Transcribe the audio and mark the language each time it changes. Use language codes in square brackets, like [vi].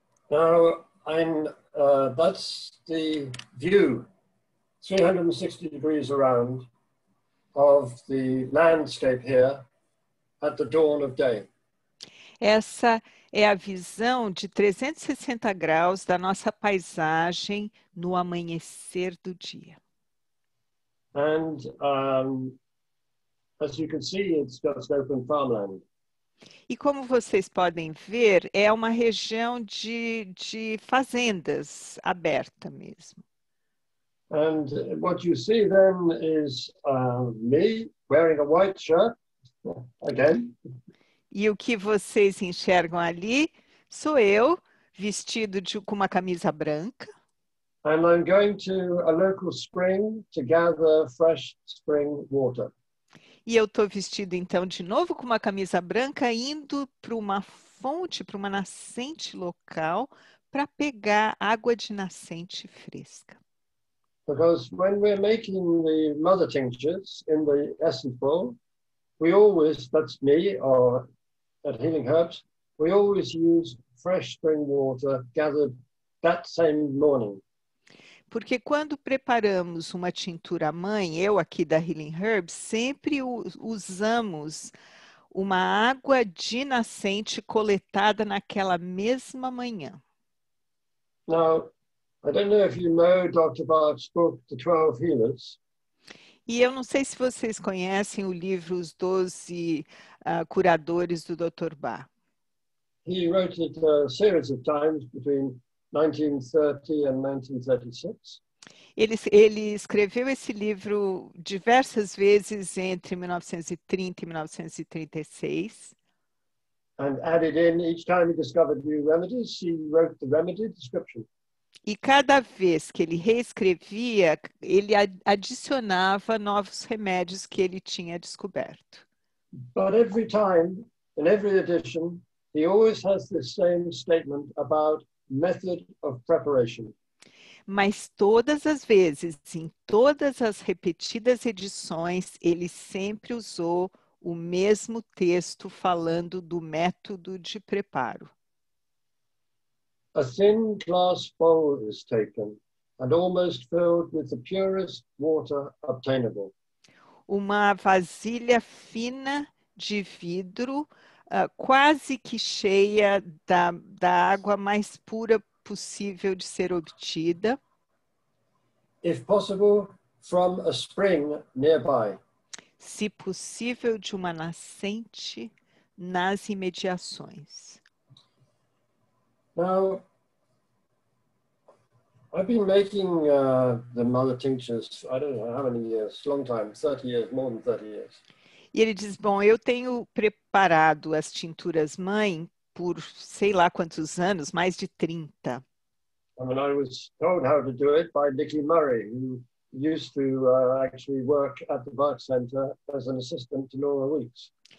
[en] Now, that's the view 360 degrees around of the landscape here at the dawn of day. [pt] Essa é a visão de 360 graus da nossa paisagem no amanhecer do dia. [en] And as you can see, it's just open farmland. [pt] E como vocês podem ver, é uma região de fazendas aberta mesmo. [en] And what you see then is me wearing a white shirt again. [pt] E o que vocês enxergam ali sou eu vestido com uma camisa branca. [en] And I'm going to a local spring to gather fresh spring water. [pt] E eu estou vestido, então, de novo com uma camisa branca, indo para uma fonte, para uma nascente local, para pegar água de nascente fresca. [en] Because when we're making the mother tinctures in the essence bowl, we always, that's me, or at Healing Herbs, we always use fresh spring water gathered that same morning. [pt] Porque quando preparamos uma tintura mãe, eu aqui da Healing Herbs, sempre usamos uma água de nascente coletada naquela mesma manhã. [en] Now, I don't know if you know Dr. Bach's book, The 12 Healers. [pt] E eu não sei se vocês conhecem o livro Os 12 Curadores do Dr. Bach. [en] He wrote it a series of times between 1930 and 1936. [pt] Ele escreveu esse livro diversas vezes entre 1930 e 1936. [en] And added in each time he discovered new remedies, he wrote the remedy description. [pt] E cada vez que ele reescrevia, ele adicionava novos remédios que ele tinha descoberto. [en] But every time, in every edition, he always has the same statement about method of preparation. [pt] Mas todas as vezes, em todas as repetidas edições, ele sempre usou o mesmo texto falando do método de preparo. [en] A thin glass bowl is taken and almost filled with the purest water obtainable. [pt] Uma vasilha fina de vidro quase que cheia da água mais pura possível de ser obtida. [en] If possible, from a spring nearby. [pt] Se possível, de uma nascente nas imediações. [en] Now, I've been making the mother tinctures, I don't know how many years, long time, 30 years, more than 30 years. [pt] E ele diz, bom, eu tenho preparado as tinturas mãe por sei lá quantos anos, mais de 30. [en] I mean, I was told how to do it by Nicky Murray, who used to actually work at the Bach Center as an assistant to Nora Weeks.